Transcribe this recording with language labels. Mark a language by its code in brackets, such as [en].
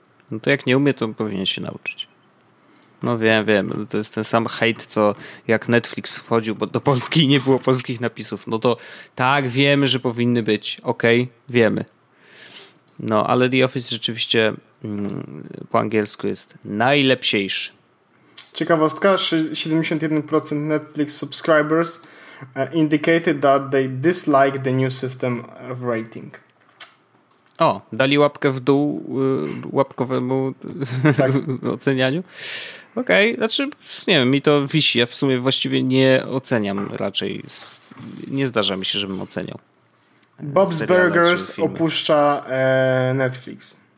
[pl] No to jak nie umie, to powinien się nauczyć. No wiem, to jest ten sam hejt, co jak Netflix wchodził do Polski i nie było polskich napisów. No to tak, wiemy, że powinny być. Okej, okay, wiemy. No, ale The Office rzeczywiście po angielsku jest najlepsiejszy. Ciekawostka, [en] 71% Netflix subscribers indicated that they dislike the new system of rating. [pl] O, dali łapkę w dół łapkowemu tak. ocenianiu. Okej, okay. Znaczy, nie wiem, mi to wisi. Ja w sumie właściwie nie oceniam raczej. Nie zdarza mi się, żebym oceniał. Bob's Burgers opuszcza Netflix.